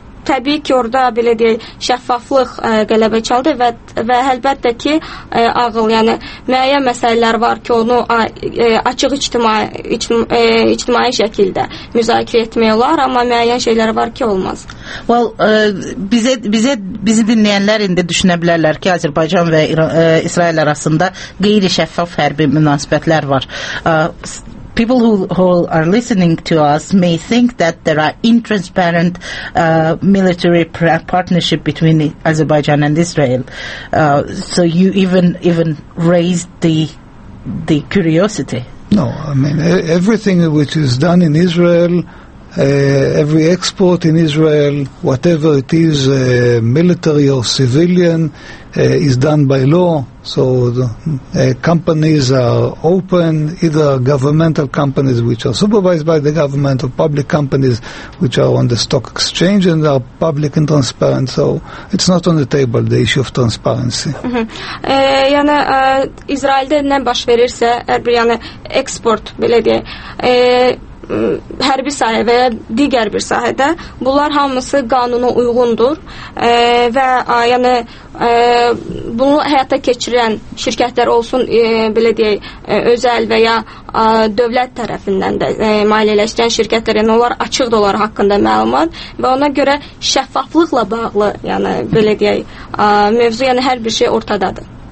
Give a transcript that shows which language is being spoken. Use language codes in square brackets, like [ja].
[az] Təbii ki, orada belə deyək, şəffaflıq qələbə çaldı və əlbəttə ki, ağıl, yəni müəyyən məsələlər var ki, onu açıq ictimai şəkildə müzakirə etmək olar, amma müəyyən şeylər var ki, olmaz. Well, bizi dinləyənlər indi düşünə bilərlər ki, Azərbaycan və İsrail arasında qeyri-şəffaf hərbi münasibətlər var. [en] people who are listening to us may think that there are intransparent military partnership between Azerbaijan and Israel. So you even raised the curiosity. No, I mean, everything which is done in Israel, every export in Israel, whatever it is, military or civilian, is done by law. So the companies are open, either governmental companies which are supervised by the government or public companies which are on the stock exchange and are public and transparent. So it's not on the table, the issue of transparency. [az] Yani İsrail'de ne baş verirse, her bir yani export belə deyə, hərbi sahə və ya digər bir sahədə bunlar hamısı qanuna uyğundur və yəni bunu həyata keçirən şirkətlər olsun belə deyək özəl və ya dövlət tərəfindən də maliyyələşdirən şirkətlər, yəni onlar açıq da onlar haqqında məlumat və ona görə şəffaflıqla bağlı yəni belə deyək mövzu, yəni hər bir şey ortadadır.